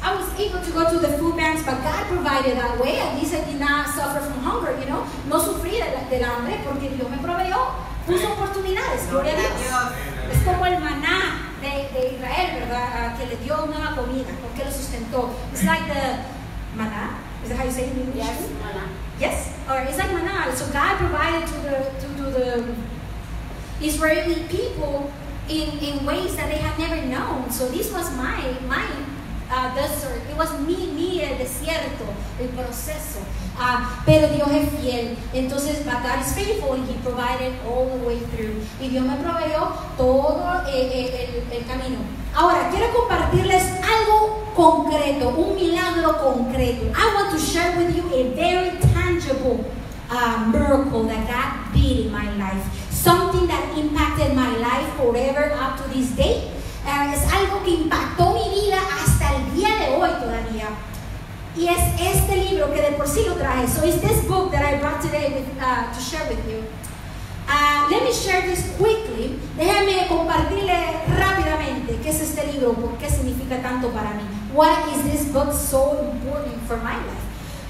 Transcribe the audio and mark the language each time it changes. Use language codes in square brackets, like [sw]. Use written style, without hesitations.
[en] I was able to go to the food banks, but God provided that way. At least I did not suffer from hunger, you know. [es] No sufrí del hambre porque Dios me proveyó. Puso oportunidades. Es como el maná de Israel, ¿verdad? Que le dio nueva comida, porque lo sustentó. [en] It's like the maná. Is that how you say it in English? Yes, maná. Yes? Or it's like maná. So God provided to the Israeli people in ways that they had never known. So this was my desert. It was [es] mi el desierto, el proceso. Pero Dios es fiel. Entonces, [en] but God is faithful and He provided all the way through. [es] Y Dios me proveyó todo el camino. Ahora, quiero compartirles algo concreto, un milagro concreto. [en] I want to share with you a very tangible miracle that God did in my life. Something that impacted my life forever up to this day. [es] Es algo que impactó mi vida hasta el día de hoy todavía. Y es este libro que de por sí lo traje. [en] So it's this book that I brought today to share with you. Let me share this quickly. [es] Déjame compartirle rápidamente qué es este libro, por qué significa tanto para mí. [en] Why is this book so important for my life?